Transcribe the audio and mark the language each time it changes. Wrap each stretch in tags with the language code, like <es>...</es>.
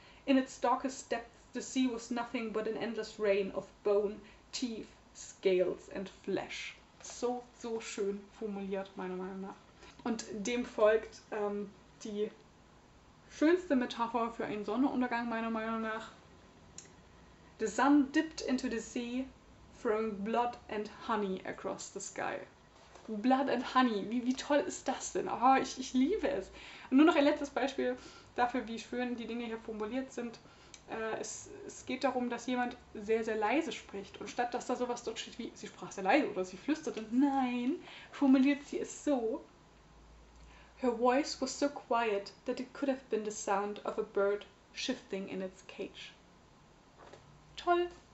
<en>In its darkest depths, the sea was nothing but an endless rain of bone, teeth, scales and flesh.</en> <de>So, so schön formuliert, meiner Meinung nach. Und dem folgt die schönste Metapher für einen Sonnenuntergang, meiner Meinung nach.</de> <en>The sun dipped into the sea, throwing blood and honey across the sky. Blood and honey,</en> <de>wie toll ist das denn? Oh, ich liebe es. Und nur noch ein letztes Beispiel dafür, wie schön die Dinge hier formuliert sind. Es geht darum, dass jemand sehr, sehr leise spricht. Und statt dass da sowas dort steht wie, sie sprach sehr leise oder sie flüstert, und nein, formuliert sie es so:</de> <en>Her voice was so quiet that it could have been the sound of a bird shifting in its cage.</en> <de>Toll.</de>